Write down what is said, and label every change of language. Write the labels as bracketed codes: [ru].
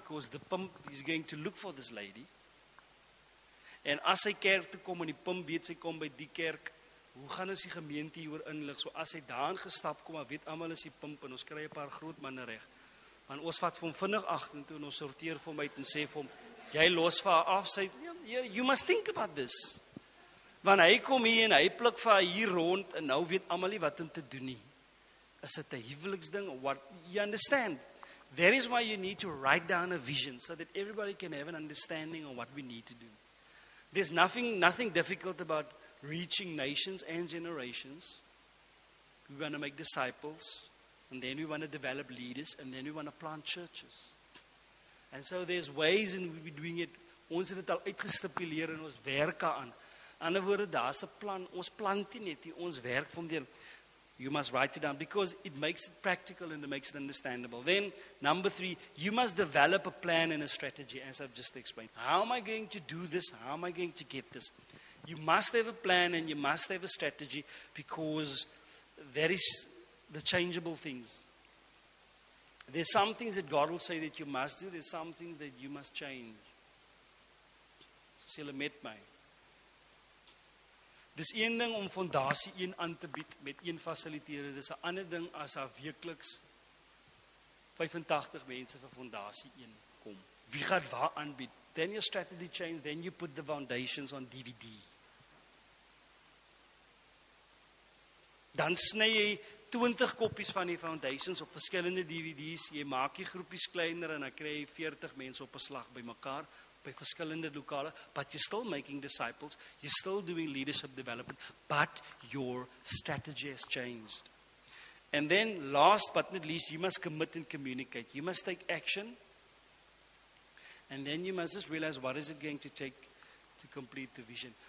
[en] Because the pump is going to look for this lady. [af] En as hy kerk te kom en die pimp weet sy kom by die kerk, hoe gaan ons die gemeente hier oor inlig? So as hy daarin gestap kom, weet allemaal is die pimp en ons kry 'n paar groot manne reg. Want ons vat vir hom vinnig agter toe en ons sorteer vir hom uit en sê vir hom, jy los vir haar af, sê, [en] you must think about this. [af] Want hy kom hier en hy pluk vir haar hier rond en nou weet allemaal nie wat om te doen nie. Is dit 'n huweliksding of what? [en] You understand? That is why you need to write down a vision so that everybody can have an understanding of what we need to do. There's nothing difficult about reaching nations and generations. We want to make disciples, and then we want to develop leaders, and then we want to plant churches. And so there's ways in we're doing it. [af] Ons het al uitgestipuleer en ons werk aan. Ander woorde, daar's 'n plan. Ons plant dit net, ons werk van deel. [en] You must write it down because it makes it practical and it makes it understandable. Then, number three, you must develop a plan and a strategy, as I've just explained. How am I going to do this? How am I going to get this? You must have a plan and you must have a strategy because that is the changeable things. There's some things that God will say that you must do. There's some things that you must change. Cecilia met my. [af] Dis een ding om fondasie een aan te bied met een fasiliteerder. Dis 'n ander ding as daar weekliks 85 mense vir fondasie een kom. Wie gaan waar aanbied? [en] Then your strategy changes, then you put the foundations on DVD. [af] Dan sny jy 20 koppies van die foundations op verskillende DVD's, jy maak die groepies kleiner en dan kry jy 40 mense op 'n slag by mekaar. By verskillende lokale, [en] but you're still making disciples, you're still doing leadership development, but your strategy has changed. And then last but not least, you must commit and communicate. You must take action And then you must just realize what is it going to take to complete the vision.